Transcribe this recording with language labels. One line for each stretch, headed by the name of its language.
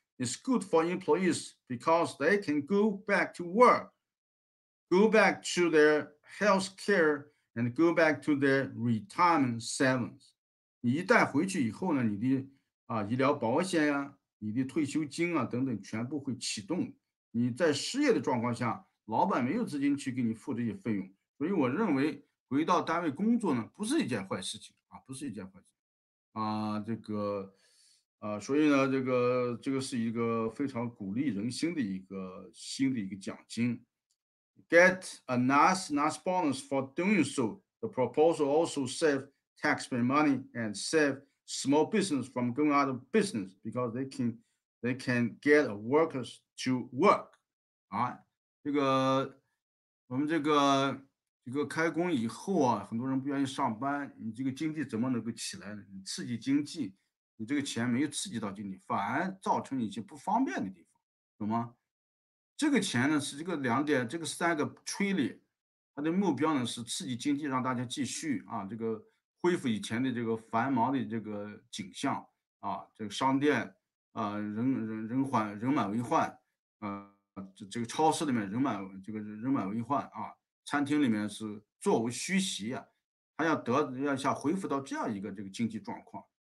English: It's good for employees because they can go back to work, go back to their health care, and go back to their retirement savings.
Chinese: 你一旦回去以后呢，你的医疗保险呀、你的退休金啊等等，全部会启动。你在失业的状况下，老板没有资金去给你付这些费用，所以我认为回到单位工作呢，不是一件坏事情啊，不是一件坏事情啊，这个。所以呢，这个是一个非常鼓励人心的一个奖金。
English: Get a nice bonus for doing so. The proposal also save taxpayer money and save small business from going out of business because they can get workers to work.
Chinese: 啊，这个我们这个开工以后啊，很多人不愿意上班，你这个经济怎么能够起来呢？你刺激经济，你这个钱没有刺激到经济，反而造成你一些不方便的地方，懂吗？这个钱呢是这个两点，这个三个推力，它的目标呢是刺激经济，让大家继续啊，这个恢复以前的这个繁忙的这个景象啊，这个商店啊，人满为患，这个超市里面人满为患啊，餐厅里面是座无虚席啊，它要恢复到这样一个这个经济状况。